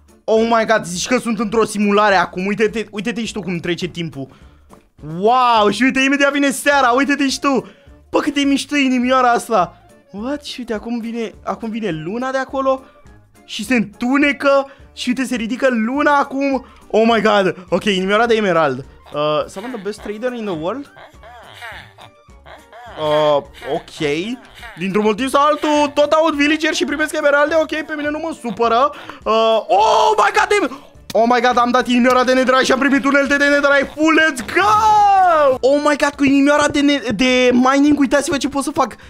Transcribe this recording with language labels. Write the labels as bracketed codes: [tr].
[en] Oh my god, [ro] zici că sunt într-o simulare acum. Uite-te și tu cum trece timpul. Wow, și uite, imediat vine seara. Uite-te și tu. Bă, cât de mișto inimioara asta. What? Și uite, acum vine luna de acolo. Și se întunecă. Și uite, se ridică luna acum. [en] Oh my god. [ro] Ok, inimioara de emerald. [en] Someone the best trader in the world? Ok. [ro] Dintr-un motiv sau altul, tot aud villager și primesc emeralde. Ok, pe mine nu mă supără. [en] Oh my god, oh my god, [ro] am dat inimioara de netherite și am primit unelte de netherite. [en] Full, let's go! Oh my god, [ro] cu inimioara de mining, uitați-vă ce pot să fac.